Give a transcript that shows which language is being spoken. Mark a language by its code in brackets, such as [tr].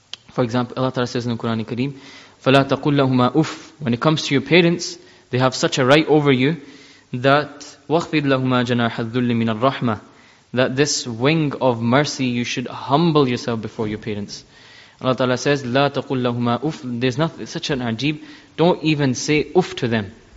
[en] For example, Allah Ta'ala says in the Quran Kareem, [ar] فَلَا تَقُلْ لَهُمَا أُفٍّ. [en] When it comes to your parents, they have such a right over you that [ar] وَخْفِرْ لَهُمَا جَنَاحَ الذُّلِّ مِنَ الرَّحْمَةِ. [en] That this wing of mercy, you should humble yourself before your parents. Allah Ta'ala says, [ar] لَا تَقُلْ لَهُمَا أُفٍّ. [en] There's nothing such an ajeeb. Don't even say uff to them.